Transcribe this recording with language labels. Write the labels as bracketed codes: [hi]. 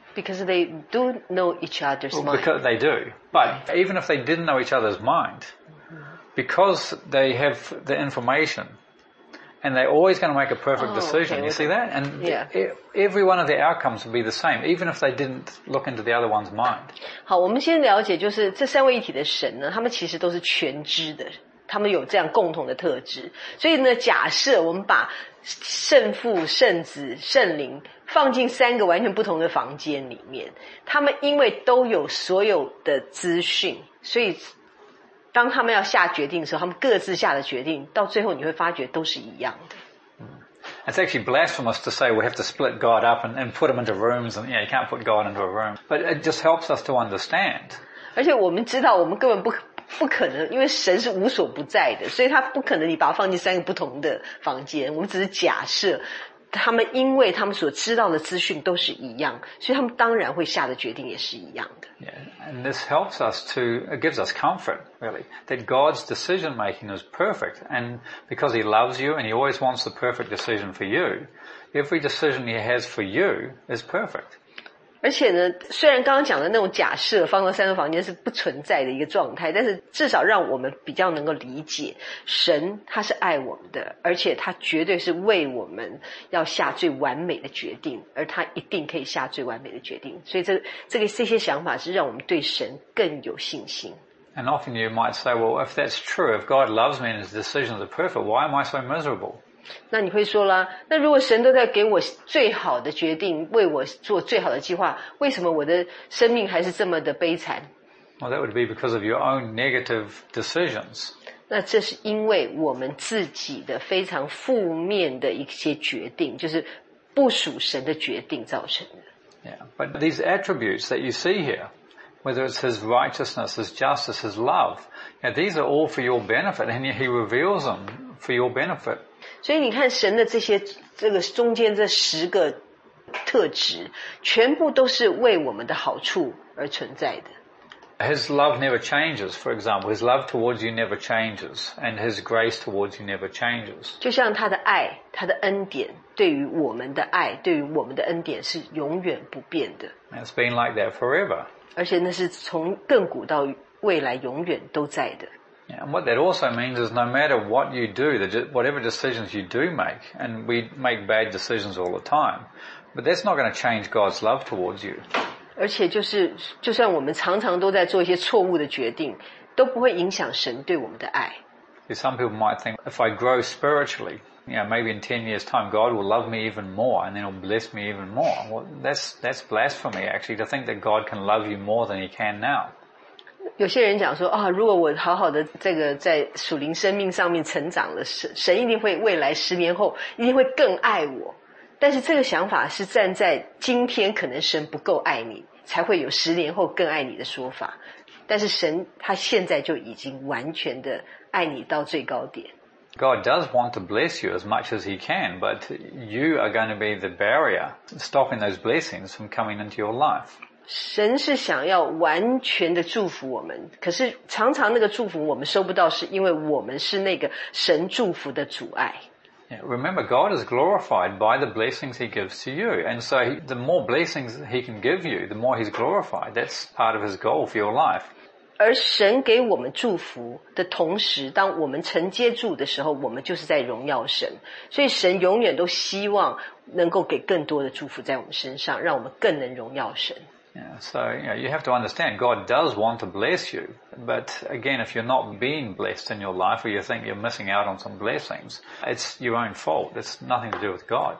[en] Because they do know each other's mind. Because they do. But even if they didn't know each other's mind, because they have the information, and they're always going to make a perfect decision, okay, you see that? And yeah. every one of the outcomes would be the same, even if they didn't look into the other one's mind. [zh] 好，我们先了解就是这三位一体的神呢，他们其实都是全知的，他们有这样共同的特质。所以呢，假设我们把圣父、圣子、圣灵放进三个完全不同的房间里面，他们因为都有所有的资讯，所以当他们要下决定的时候，他们各自下的决定，到最后你会发觉都是一样的。 [en] It's actually blasphemous to say we have to split God up and put him into rooms, and yeah, you can't put God into a room. But it just helps us to understand. [zh] 而且我们知道，我们根本不可能，因为神是无所不在的，所以他不可能你把他放进三个不同的房间。我们只是假设。他们因为他们所知道的资讯都是一样，所以他们当然会下的决定也是一样的。 [en] Yeah, and this helps us to, it gives us comfort, really, that God's decision making is perfect, and because he loves you and he always wants the perfect decision for you, every decision he has for you is perfect. [zh] 而且呢，虽然刚刚讲的那种假设放到三个房间是不存在的一个状态，但是至少让我们比较能够理解神他是爱我们的，而且他绝对是为我们要下最完美的决定，而他一定可以下最完美的决定。所以这些想法是让我们对神更有信心。 [en] And often you might say, well, if that's true, if God loves me and his decisions are perfect, why am I so miserable? [zh] 那你会说啦，那如果神都在给我最好的决定，为我做最好的计划，为什么我的生命还是这么的悲惨？ [en] Well, that would be because of your own negative decisions. [zh] 那这是因为我们自己的非常负面的一些决定，就是不属神的决定造成的。 [en] Yeah, but these attributes that you see here, whether it's his righteousness, his justice, his love, now these are all for your benefit, and he reveals them for your benefit. [zh] 所以你看神的这个中间这十个特质全部都是为我们的好处而存在的。 [en] His love never changes, for example. His love towards you never changes. And his grace towards you never changes. [zh] 就像他的爱他的恩典对于我们的爱对于我们的恩典是永远不变的。 [en] It's been like that forever. [zh] 而且那是从亘古到未来永远都在的。 [en] Yeah, and what that also means is no matter what you do, whatever decisions you do make, and we make bad decisions all the time, but that's not going to change God's love towards you. [zh] 而且就是就算我们常常都在做一些错误的决定，都不会影响神对我们的爱。 [en] Some people might think, if I grow spiritually, you know, maybe in 10 years' time, God will love me even more, and then He'll bless me even more. Well, that's blasphemy, actually, to think that God can love you more than He can now. [zh] 有些人讲说、哦、如果我好好的这个在属灵生命上面成长了，神一定会未来十年后一定会更爱我。但是这个想法是站在今天可能神不够爱你，才会有十年后更爱你的说法。但是神他现在就已经完全的爱你到最高点。 [en] God does want to bless you as much as He can, but you are going to be the barrier stopping those blessings from coming into your life. [zh] 神是想要完全的祝福我们，可是常常那个祝福我们收不到，是因为我们是那个神祝福的阻碍。 [en] Remember, God is glorified by the blessings He gives to you. And so the more blessings He can give you, the more He's glorified. That's part of His goal for your life. [zh] 而神给我们祝福的同时，当我们承接住的时候，我们就是在荣耀神。所以神永远都希望能够给更多的祝福在我们身上，让我们更能荣耀神。 [en] Yeah, so you know, you have to understand God does want to bless you, but again, if you're not being blessed in your life, or you think you're missing out on some blessings, it's your own fault. It's nothing to do with God.